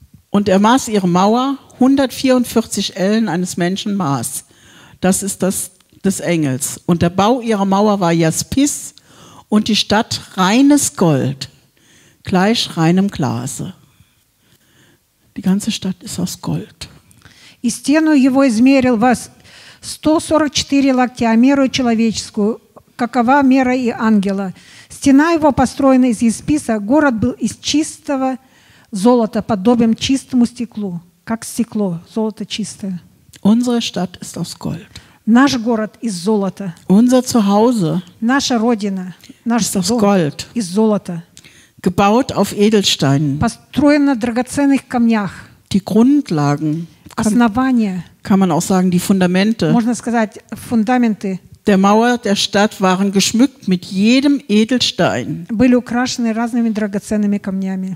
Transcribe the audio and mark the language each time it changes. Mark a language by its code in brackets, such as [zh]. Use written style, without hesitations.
[de] Und er maß ihre Mauer 144 Ellen eines Menschen maß. Das ist das des Engels. Und der Bau ihrer Mauer war Jaspis und die Stadt reines Gold, gleich reinem Glase. Die ganze Stadt ist aus Gold. [ru] И стену его измерил 144 локтя, меру человеческую, какова мера и ангела. Стена его построена из ясписа, город был из чистого золота, подобен чистому стеклу, как стекло, золото чистое. [de] Unsere Stadt ist aus Gold. [ru] Наш город из золота. [de] Unser Zuhause. [ru] Наша родина. Наш [de] ist aus Gold. [ru] Из золота. [de] Gebaut auf Edelsteinen. [ru] Построено на драгоценных камнях. [de] Die Grundlagen. [ru] Основания. [de] Kann man auch sagen, die Fundamente. [ru] Можно сказать, фундаменты. [de] Der Mauer der Stadt waren geschmückt mit jedem Edelstein. [ru] Были украшены разными драгоценными камнями.